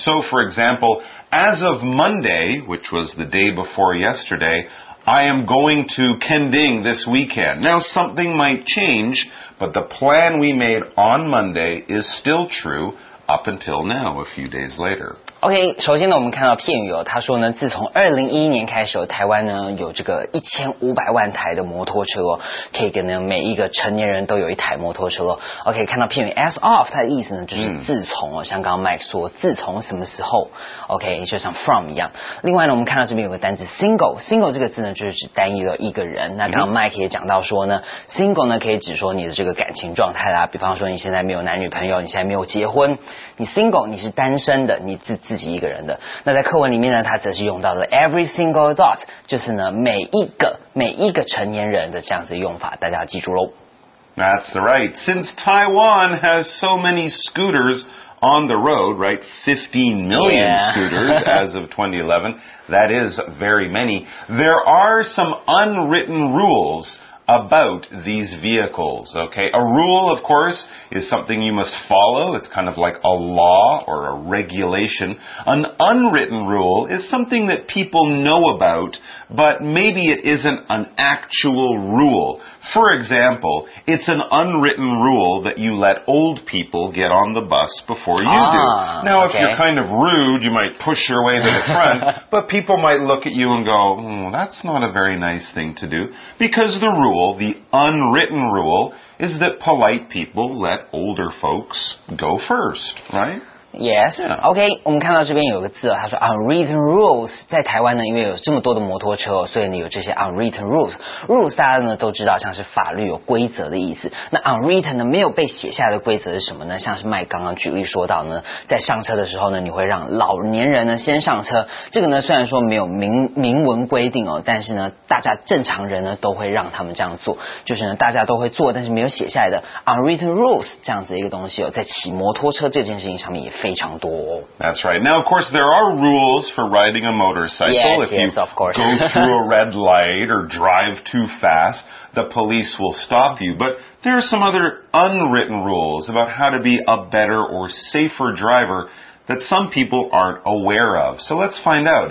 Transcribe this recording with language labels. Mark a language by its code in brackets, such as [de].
[en] So, for example, as of Monday, which was the day before yesterday, I am going to Kending this weekend. Now, something might change, but the plan we made on Monday is still true up until now, a few days later. [zh] OK, 首先呢我们看到片语哦，他说呢自从2011年开始，台湾呢有这个1500万台的摩托车哦，可以跟呢每一个成年人都有一台摩托车哦。 OK, 看到片语 as of, 它的意思呢就是自从哦，像刚刚 Mike 说自从什么时候 ,OK, 就像 from 一样。另外呢我们看到这边有个单字 single 这个字呢就是指单一的一个人。那刚刚 Mike 也讲到说呢 ,single 呢可以指说你的这个感情状态啦，比方说你现在没有男女朋友，你现在没有结婚，你 single, 你是单身的，你自己一个人的。那在课文里面呢，他则是用到了 [en] every single adult, [zh] 就是呢每一个成年人的这样子用法，大家要记住咯。 [en] That's right. Since Taiwan has so many scooters on the road, right? 15 million yeah. scooters as of 2011. That is very many. There are some unwritten rules about these vehicles, okay? A rule, of course, is something you must follow. It's kind of like a law or a regulation. An unwritten rule is something that people know about, but maybe it isn't an actual rule. For example, it's an unwritten rule that you let old people get on the bus before you do. Now, okay. If you're kind of rude, you might push your way to the front, but people might look at you and go, that's not a very nice thing to do, because the rule, the unwritten rule, is that polite people let older folks go first, right? Yes, yeah. [zh] OK, 我们看到这边有个字哦，他说 unwritten rules, 在台湾呢因为有这么多的摩托车哦，所以呢有这些 unwritten rules, rules 大家呢都知道像是法律有规则的意思，那 unwritten 呢没有被写下的规则是什么呢，像是麦刚刚举例说到呢，在上车的时候呢你会让老年人呢先上车，这个呢虽然说没有明文规定哦，但是呢大家正常人呢都会让他们这样做，就是呢大家都会做但是没有写下来的 unwritten rules, 这样子的一个东西哦，在骑摩托车这件事情上面也非常多哦。 [en] That's right. Now, of course, there are rules for riding a motorcycle. Yes, yes, of course. If you go through a red light or drive too fast, the police will stop you. But there are some other unwritten rules about how to be a better or safer driver that some people aren't aware of. So let's find out.